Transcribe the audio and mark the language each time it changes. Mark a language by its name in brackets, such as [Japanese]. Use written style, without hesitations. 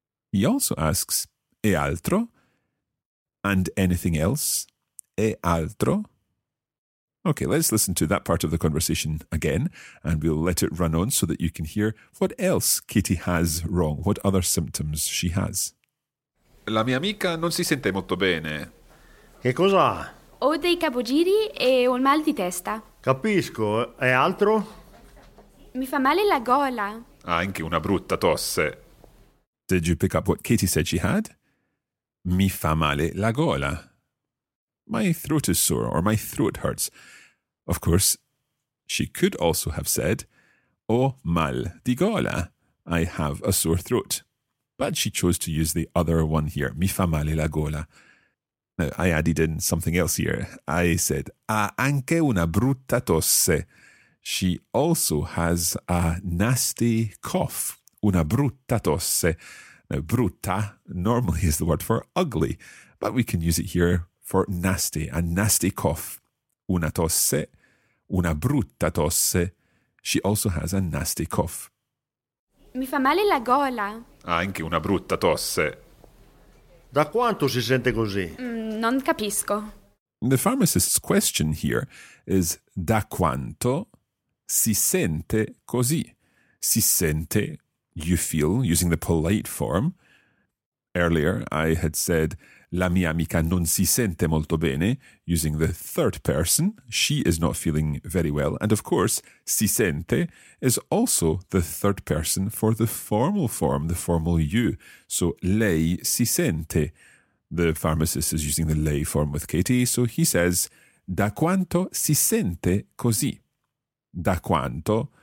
[English] He also asks, [Italian] e altro? [English] And anything else? [Italian] E altro? [English] Okay, let's listen to that part of the conversation again, and we'll let it run on so that you can hear what else Katie has wrong, what other symptoms she has. [Italian] La mia amica non si sente molto bene. Che cosa? Ho dei capogiri e ho un mal di testa. Capisco, e altro? Mi fa male la gola. Ha anche una brutta tosse. [English] Did you pick up what Katie said she had? [Italian] Mi fa male la gola. [English] My throat is sore, or my throat hurts. Of course, she could also have said, [Italian] o mal di gola, [English] I have a sore throat. But she chose to use the other one here, [Italian] mi fa male la gola. [English] Now, I added in something else here. I said, [Italian] ha anche una brutta tosse. [English] She also has a nasty cough, [Italian] una brutta tosse. [English] Now, brutta normally is the word for ugly, but we can use it here for nasty, a nasty cough. [Italian] Una tosse, una brutta tosse. [English] She also has a nasty cough. [Italian] Mi fa male la gola. Ha anche una brutta tosse. Da quanto si sente così? Non capisco. [English] The pharmacist's question here is, [Italian] da quanto si sente così? Si sente, [English] you feel, using the polite form. Earlier, I had said, [Italian] la mia amica non si sente molto bene, [English] using the third person. She is not feeling very well. And of course, [Italian] si sente [English] is also the third person for the formal form, the formal you. So, [Italian] lei si sente. [English] The pharmacist is using the lei form with Katie. So he says, [Italian] da quanto si sente così? Da quanto